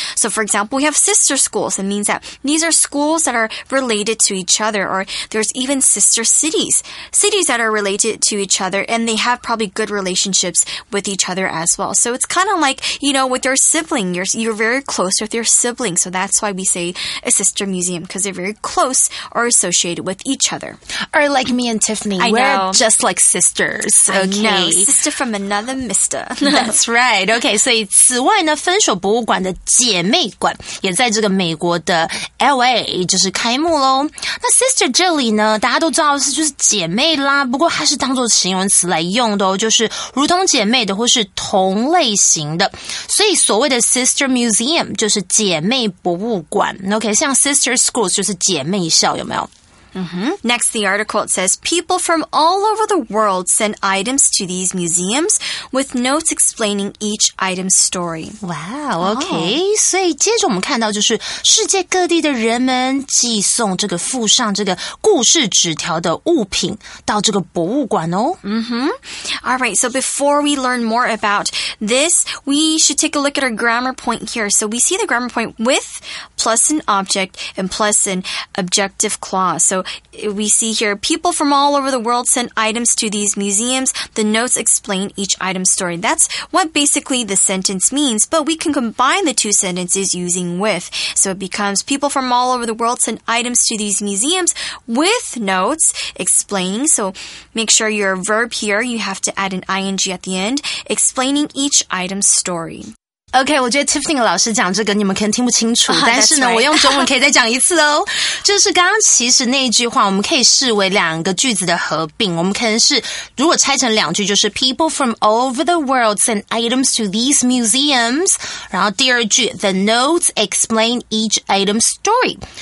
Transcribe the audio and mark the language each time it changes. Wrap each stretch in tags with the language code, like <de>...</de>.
<en>So, for example, we have sister schools. It means that these are schools that are related to each other, or there's even sister cities, cities that are related to each other, and they have probably good relationships with each other as well. So it's kind of like, you know, with your sibling, you're very close with your sibling. So that's why we say a sister museum, because they're very close or associated with each other. Or like me and Tiffany, we're just like sisters. Okay. Sister from another mister. That's right.</en> <zh>Okay, 所以此外呢，分手博物馆的姐妹馆也在这个美国的 LA 就是开幕咯。那 sister 这里呢，大家都知道是就是姐妹啦，不过它是当作形容词来用的哦，就是如同姐妹的或是同类型的。所以所谓的 sister museum 就是姐妹博物馆。 OK, 像 sister schools 就是姐妹校，有没有？ Mm-hmm.</zh> <en>Next, the article, it says, people from all over the world send items to these museums with notes explaining each item's story. Wow, okay. Oh.</en> <zh>所以接着我们看到就是世界各地的人们寄送这个附上这个故事纸条的物品到这个博物馆哦。 Mm-hmm.</zh> <en>All right, so before we learn more about this, we should take a look at our grammar point here. So we see the grammar point with plus an object and plus an objective clause. So we see here, people from all over the world send items to these museums. The notes explain each item's story. That's what basically the sentence means, but we can combine the two sentences using with. So it becomes people from all over the world send items to these museums with notes explaining. So make sure your verb here, you have to add an ing at the end, explaining each item's story.</en> <zh>OK, 我觉得 Tiffany 老师讲这个你们可能听不清楚、 oh, 但是呢、</zh> <en>right.</en> <zh>我用中文可以再讲一次哦。就是刚刚其实那一句话我们可以视为两个句子的合并。我们可能是如果拆成两句就是</zh> <en>People from all over the world send items to these museums.</en> <zh>然后第二句</zh> <en>The notes explain each item's story.</en>